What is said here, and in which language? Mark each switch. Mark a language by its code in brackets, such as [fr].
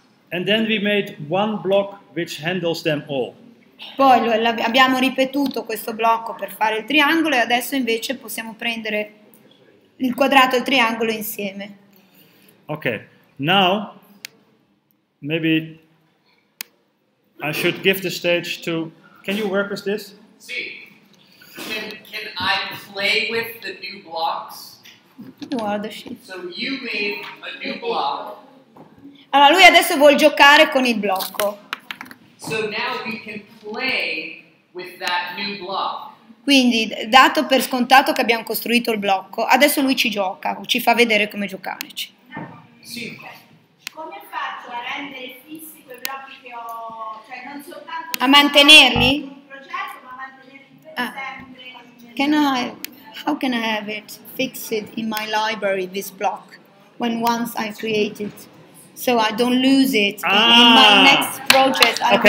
[en] And then we made one block which handles them all. [it] Poi abbiamo ripetuto questo blocco per fare il triangolo e adesso invece possiamo prendere il quadrato e il triangolo insieme. Okay. [en] Now maybe I should give the stage to. Can you work with this? Sì. Can I play with the new blocks? Who are the sheets? So you made a new block. [it] Allora lui adesso vuol giocare con il blocco. [en] So now we can play with that new block. [it] Quindi, dato per scontato che abbiamo costruito il blocco, adesso lui ci gioca, ci fa vedere come giocarci. Sì. Come faccio a rendere fissi quei blocchi che ho, cioè non soltanto a mantenerli? Un progetto, ma mantenerli per sempre. [en] How can I have it fixed in my library, this block, when once I create it, so I don't lose it in my next project?